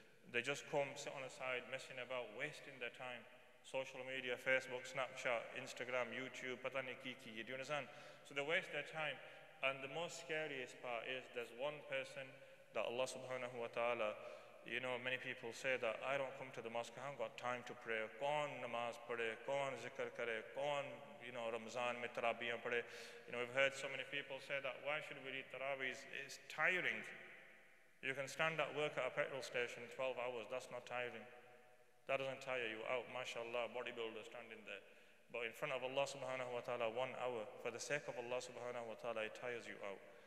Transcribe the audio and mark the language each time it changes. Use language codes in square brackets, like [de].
[en] They just come, sit on the side, messing about, wasting their time. Social media, Facebook, Snapchat, Instagram, YouTube, Patani Kiki, do you understand? So they waste their time. And the most scariest part is there's one person that Allah subhanahu wa ta'ala, you know, many people say that I don't come to the mosque, I haven't got time to pray. [ur] کون نماز [en] pray، [ur] کون ذکر کرے، کون، [en] you know، [ur] رمضان میں ترابیاں pray۔ [en] You know, we've heard so many people say that why should we read tarabis? It's tiring. You can stand at work at a petrol station 12 hours, that's not tiring. That doesn't tire you out, mashallah, bodybuilder standing there. But in front of Allah subhanahu wa ta'ala, 1 hour, for the sake of Allah subhanahu wa ta'ala, it tires you out.